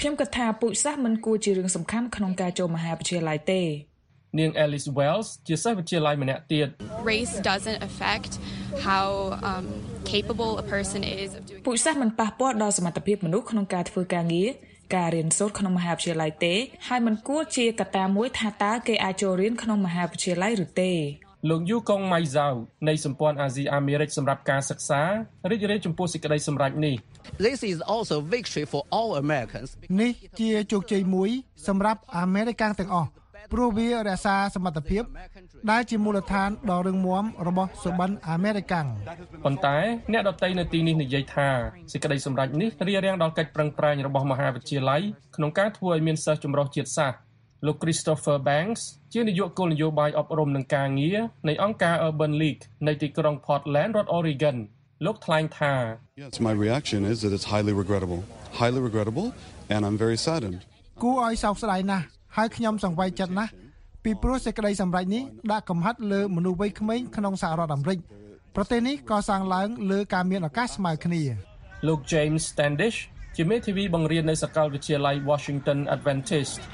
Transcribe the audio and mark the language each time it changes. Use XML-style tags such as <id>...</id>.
<km>ខ្ញុំគិតថាពូជសាសន៍មិនគួរជារឿងសំខាន់ក្នុងការចូលមហាវិទ្យាល័យទេ នាង Alice Wells ជាសិស្សវិទ្យាល័យម្នាក់ទៀត</km> <en>Race doesn't affect how capable a person is of doing</en> <km>ពូជសាសន៍មិនប៉ះពាល់ដល់សមត្ថភាពមនុស្សក្នុងការធ្វើការងារការរៀនសូត្រក្នុងមហាវិទ្យាល័យទេហើយមិនគួរជាកត្តាមួយថាតើគេអាចចូលរៀនក្នុងមហាវិទ្យាល័យឬទេ លោកយូកុងម៉ៃសៅនៃសម្ព័ន្ធអាស៊ីអាមេរិកសម្រាប់ការសិក្សារីករាយចំពោះសេចក្តីសម្រេចនេះ</km> <en>This is also victory for all Americans</en> <km>នេះជាជោគជ័យមួយសម្រាប់អាមេរិកទាំងអស់ព្រោះវារក្សាសមត្ថភាពដែលជាមូលដ្ឋានដ៏រឹងមាំរបស់សុបិនអាមេរិក ប៉ុន្តែអ្នកដតីនៅទីនេះនិយាយថាសេចក្តីសម្រេចនេះរារាំងដល់កិច្ចប្រឹងប្រែងរបស់មហាវិទ្យាល័យក្នុងការធ្វើឲ្យមានសិស្សចម្រុះជាតិសាសន៍លោក Christopher Banks ជានាយកគោលនយោបាយអប់រំនឹងការងារនៃអង្គការ Urban League នៃទីក្រុង Portland រដ្ឋ Oregon លោកថ្លែងថា</km> <en>Yes my reaction is that it's highly regrettable and I'm very saddened</en> <km>គួរឲ្យសោកស្ដាយណាស់ហើយខ្ញុំសង្វេគចិត្តណាស់ពីព្រោះសេចក្តីសម្រេចនេះដាក់កំហិតលើមនុស្សវ័យក្មេងក្នុងសហរដ្ឋអាមេរិកប្រទេសនេះក៏សាងឡើងលើការមានឱកាសស្មើគ្នា លោក James Standish ជាមេធាវីបង្រៀននៅសាកលវិទ្យាល័យ Washington Adventist</km>